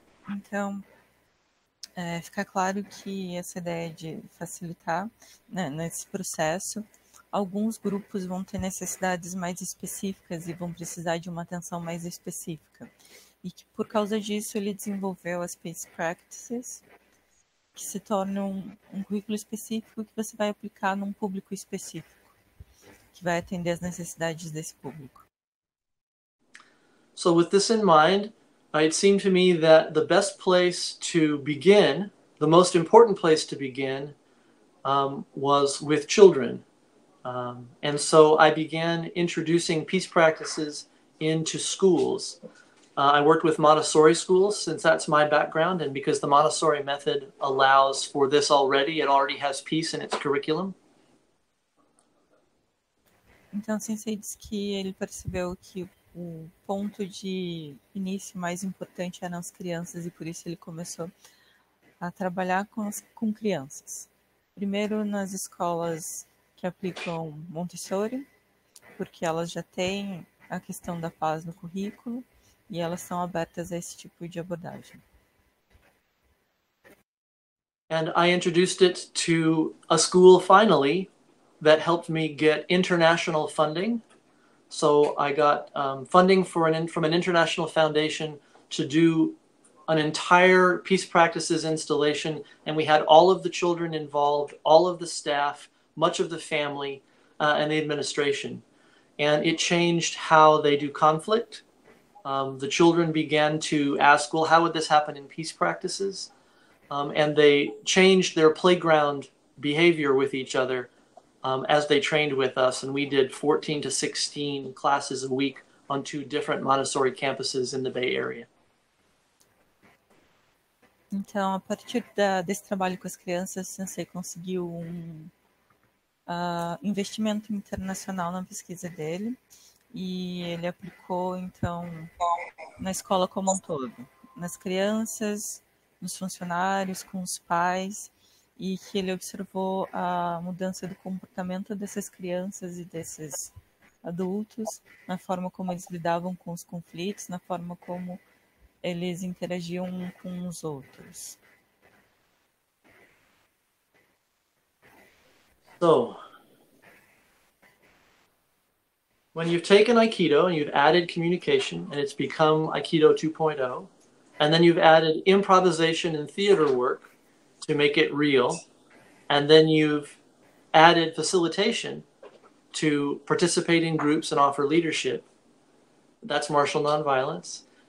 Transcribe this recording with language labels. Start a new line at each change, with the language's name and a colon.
Portuguese: Então, fica claro que essa ideia de facilitar, né, nesse processo, alguns grupos vão ter necessidades mais específicas e vão precisar de uma atenção mais específica. E que por causa disso ele desenvolveu as peace practices, que se tornam um currículo específico que você vai aplicar num público específico, que vai atender as necessidades desse público.
English: So with this in mind, it seemed to me that the best place to begin, the most important place to begin, was with children. And so I began introducing peace practices into schools. I worked with Montessori schools, since that's my background, and because the Montessori method allows for this already, it already has peace in its curriculum.
Portuguese: Então, sensei disse que ele percebeu que o ponto de início mais importante eram as crianças e por isso ele começou a trabalhar com crianças. Primeiro nas escolas que aplicam Montessori, porque elas já têm a questão da paz no currículo e elas são abertas a esse tipo de abordagem.
English: And I introduced it to a school finally that helped me get international funding. So I got funding from an international foundation to do an entire peace practices installation, and we had all of the children involved, all of the staff, much of the family, and the administration. And it changed how they do conflict. The children began to ask, well, how would this happen in peace practices? And they changed their playground behavior with each other as they trained with us, and we did 14 to 16 classes a week on two different Montessori campuses in the Bay Area.
Portuguese: Então, a partir desse trabalho com as crianças, o sensei conseguiu um investimento internacional na pesquisa dele, e ele aplicou, então, na escola como um todo, nas crianças, nos funcionários, com os pais, e que ele observou a mudança do comportamento dessas crianças e desses adultos, na forma como eles lidavam com os conflitos, na forma como eles interagiam uns com os outros.
English: So, when you've taken Aikido and you've added communication and it's become Aikido 2.0, and then you've added improvisation and theater work to make it real, and then you've added facilitation to participate in groups and offer leadership, that's martial nonviolence.